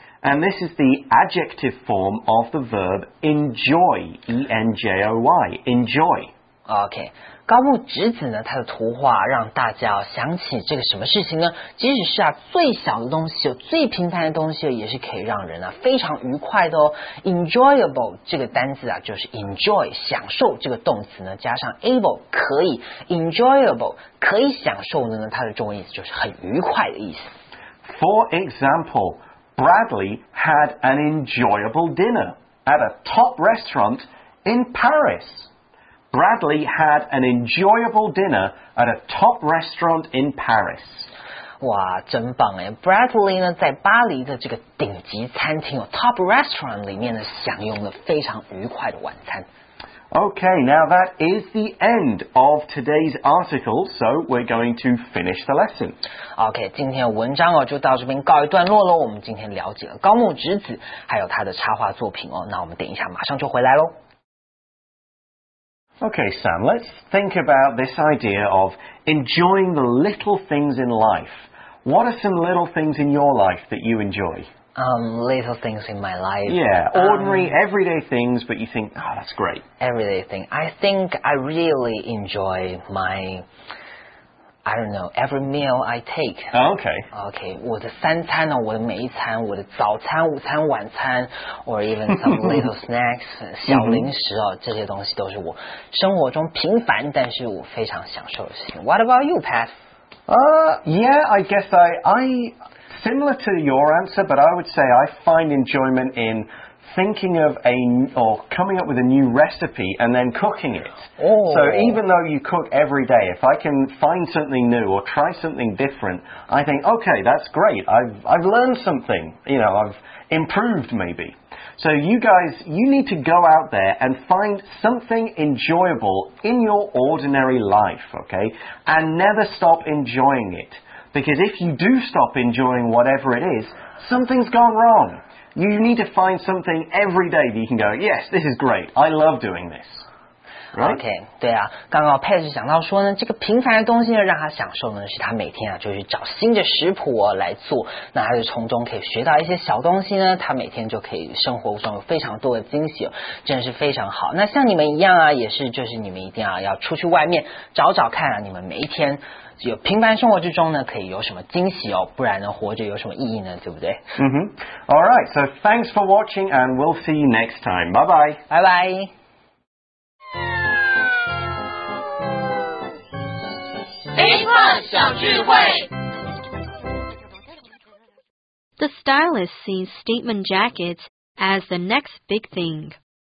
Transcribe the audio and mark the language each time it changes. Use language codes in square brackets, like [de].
[en] And this is the adjective form of the verb enjoy, E-N-J-O-Y, enjoy. Okay. [zh] 高木直子呢，他的图画让大家、哦、想起这个什么事情呢？即使是啊最小的东西，最平凡的东西，也是可以让人啊非常愉快的哦。 Enjoyable 这个单字啊，就是 enjoy 享受这个动词呢，加上 able 可以 enjoyable 可以享受的呢，它的中文意思就是很愉快的意思。 [en] For example, Bradley had an enjoyable dinner at a top restaurant in Paris. Bradley had an enjoyable dinner at a top restaurant in Paris. [zh] 哇，真棒耶。 Bradley 呢，在巴黎的这个顶级餐厅哦 ， [en] top restaurant [zh] 里面呢，享用了非常愉快的晚餐。 [en] Okay, now that is the end of today's article, so we're going to finish the lesson. [zh] Okay, 今天文章、哦、就到这边告一段落了。我们今天了解了高木直子，还有他的插画作品哦。那我们等一下马上就回来咯。 [en] Okay, Sam, let's think about this idea of enjoying the little things in life. What are some little things in your life that you enjoy? Little things in my life. Yeah, ordinary, everyday things, but you think, oh, that's great. Everyday thing. I think I really enjoy my... I don't know, every meal I take. Okay. [zh] Okay, 我的三餐呢，我的每一餐，我的早餐、午餐、晚餐 [en] or even some little snacks, [zh] 小零食哦，这些东西都是我生活中平凡但是我非常享受的事情。 [en] What about you, Pat? Yeah, I guess I, similar to your answer, but I would say I find enjoyment in... thinking of a, or coming up with a new recipe and then cooking it. Oh. So even though you cook every day, if I can find something new or try something different, I think, okay, that's great. I've learned something. You know, I've improved maybe. So you guys, you need to go out there and find something enjoyable in your ordinary life, okay? And never stop enjoying it. Because if you do stop enjoying whatever it is, something's gone wrong. You need to find something every day that you can go, yes, this is great, I love doing this. [zh] OK, 对啊，刚刚 Pat 讲到说呢，这个平凡的东西呢，让他享受呢，是他每天啊，就去找新的食谱哦来做，那他就从中可以学到一些小东西呢，他每天就可以生活中有非常多的惊喜哦，真的是非常好。那像你们一样啊，也是就是你们一定啊，要出去外面找找看啊，你们每一天有平凡生活之中呢，可以有什么惊喜哦，不然呢，活着有什么意义呢，对不对？嗯哼。 [en] All right, so thanks for watching and we'll see you next time. Bye bye. Bye bye. The stylist sees statement jackets as the next big thing.